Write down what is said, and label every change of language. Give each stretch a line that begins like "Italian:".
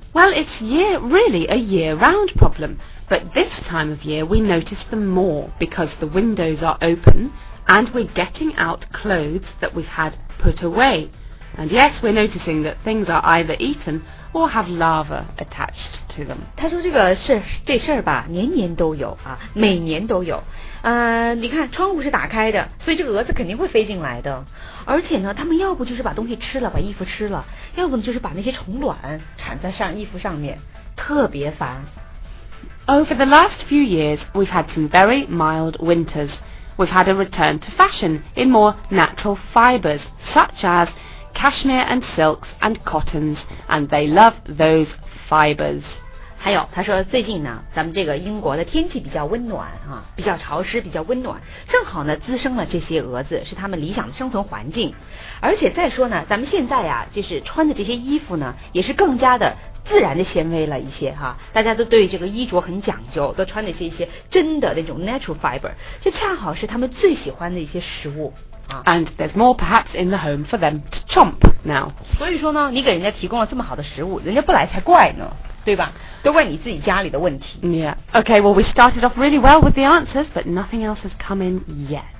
English: Well, it's a year-round problem. But this time of year, we notice them more because the windows are open and we're getting out clothes that we've had put away. And yes, we're noticing that things are either eaten or have lava attached to them.
Chinese: 他说这个事这事儿吧，年年都有啊，每年都有。你看窗户是打开的，所以这个蛾子肯定会飞进来的。而且呢，他们要不就是把东西吃了，把衣服吃了；要不就是把那些虫卵产在上衣服上面，特别烦。
English: Over the last few years, we've had some very mild winters. We've had a return to fashion in more natural fibers, such as cashmere and silks and cottons, and they love those fibers.
Chinese: 还有，他说最近呢，咱们这个英国的天气比较温暖啊，比较潮湿，比较温暖，正好呢滋生了这些蛾子，是他们理想的生存环境。而且再说呢，咱们现在呀，就是穿的这些衣服呢，也是更加的自然的纤维了一些哈，大家都对这个衣着很讲究，都穿的是一些真的那种 natural fiber， 这恰好是他们最喜欢的一些食物啊。
English: And there's more perhaps in the home for them to chomp now。
Chinese: 所以说呢，你给人家提供了这么好的食物，人家不来才怪呢，对吧？都怪你自己家里的问题。
English: Yeah. Okay. Well, we started off really well with the answers, but nothing else has come in yet.